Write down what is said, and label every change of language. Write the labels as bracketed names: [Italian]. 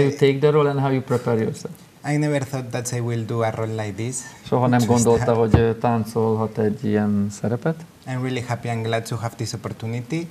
[English] you take the role and how you prepare yourself? I never thought that I will do a role like this. [Hungarian] Soha nem gondolta, hogy táncolhat egy ilyen szerepet. [English] I'm really happy and glad to have this opportunity.